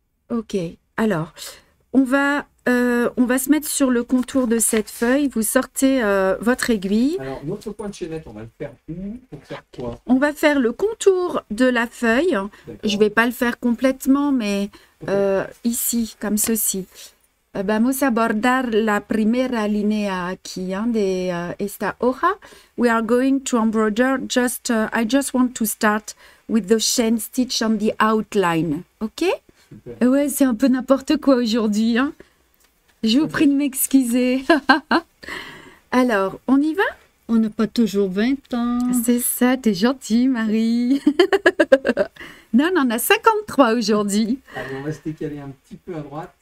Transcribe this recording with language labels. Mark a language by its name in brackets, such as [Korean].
[French] Ok. Alors, on va se mettre sur le contour de cette feuille. Vous sortez votre aiguille. Alors, notre point de chaînette, on va le faire où pour faire quoi? On va faire le contour de la feuille. Je ne vais D'accord. pas le faire complètement, mais OK. ici, comme ceci. [Spanish] Vamos abordar la primera línea aquí, hein, de esta hoja. [English] We are going to embroider just, I just want to start with the chain stitch on the outline. OK? [French] Super. Ouais, c'est un peu n'importe quoi aujourd'hui, hein. Je vous Pas prie de de m'excuser. Alors, on y va? On n'a pas toujours 20 ans. C'est ça, t'es gentille, Marie. Non, on en a 53 aujourd'hui. Allez, on va se décaler un petit peu à droite